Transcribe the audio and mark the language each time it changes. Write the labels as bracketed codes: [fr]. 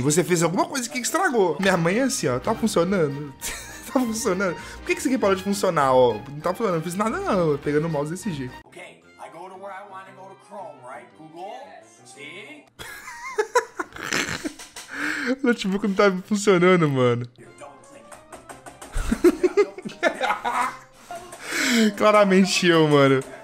[pt] Você fez alguma coisa que estragou. Minha mãe é assim, ó. Tá funcionando. Tá funcionando. Por que isso aqui parou de funcionar, ó? Não tá funcionando. Não fiz nada, não. Pegando o mouse desse jeito. [en] Ok, I go to where I want to go to Chrome, right? Google? Yes. See? [pt] O notebook não tá funcionando, mano. Claramente eu, mano.